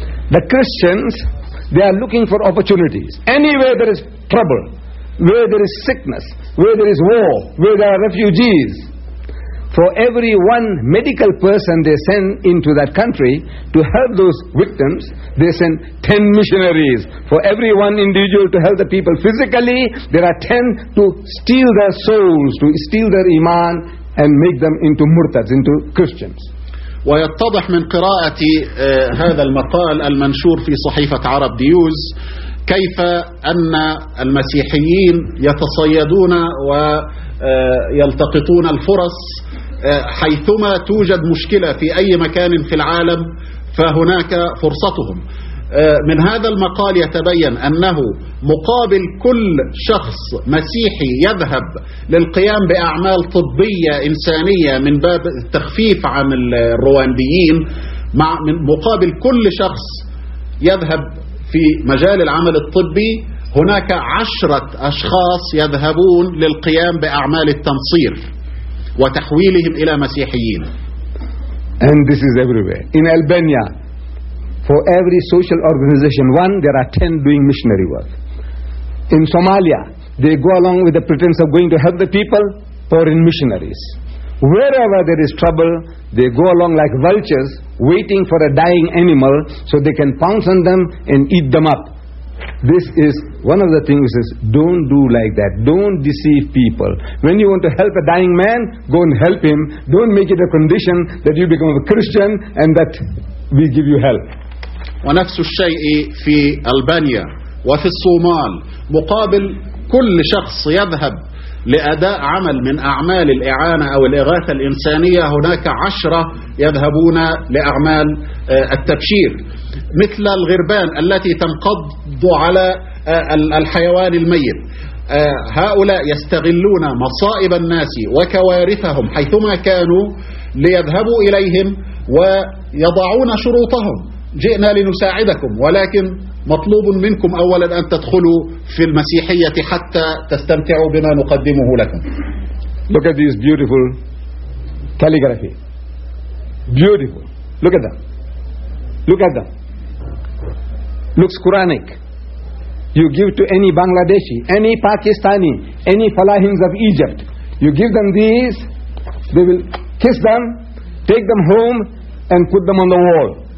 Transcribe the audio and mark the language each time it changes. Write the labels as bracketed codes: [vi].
[en] The Christians, they are looking for opportunities. Anywhere there is trouble, where there is sickness, where there is war, where there are refugees, for every one medical person they send into that country to help those victims, they send 10 missionaries. For every one individual to help the people physically, there are 10 to steal their souls, to steal their iman and make them into murtads, into Christians. [ar] ويتضح من قراءة هذا المقال المنشور في صحيفة عرب نيوز كيف أن المسيحيين يتصيدون ويلتقطون الفرص حيثما توجد مشكلة في أي مكان في العالم، فهناك فرصتهم. من هذا المقال يتبين أنه مقابل كل شخص مسيحي يذهب للقيام بأعمال طبية إنسانية من باب التخفيف عن الروانديين، مقابل كل شخص يذهب في مجال العمل الطبي هناك 10 أشخاص يذهبون للقيام بأعمال التنصير وتحويلهم إلى مسيحيين. [en] And this is everywhere. In Albania, for every social organization one, there are 10 doing missionary work. In Somalia, they go along with the pretense of going to help the people, foreign missionaries. Wherever there is trouble, they go along like vultures waiting for a dying animal so they can pounce on them and eat them up. This is one of the things he says, don't do like that. Don't deceive people. When you want to help a dying man, go and help him. Don't make it a condition that you become a Christian and that we give you help. [ar] ونفس الشيء في ألبانيا وفي الصومال، مقابل كل شخص يذهب لأداء عمل من أعمال الإعانة أو الإغاثة الإنسانية هناك 10 يذهبون لأعمال التبشير، مثل الغربان التي تنقض على الحيوان الميت. هؤلاء يستغلون مصائب الناس وكوارثهم حيثما كانوا ليذهبوا إليهم ويضعون شروطهم: جئنا لنساعدكم، ولكن مطلوب منكم أولا أن تدخلوا في المسيحية حتى تستمتعوا بما نقدمه لكم. [en] Look at this beautiful calligraphy. Beautiful. Look at that. Look at that. Looks Quranic. You give to any Bangladeshi, any Pakistani, any Falahins of Egypt, you give them these, they will kiss them, take them home and put them on the wall.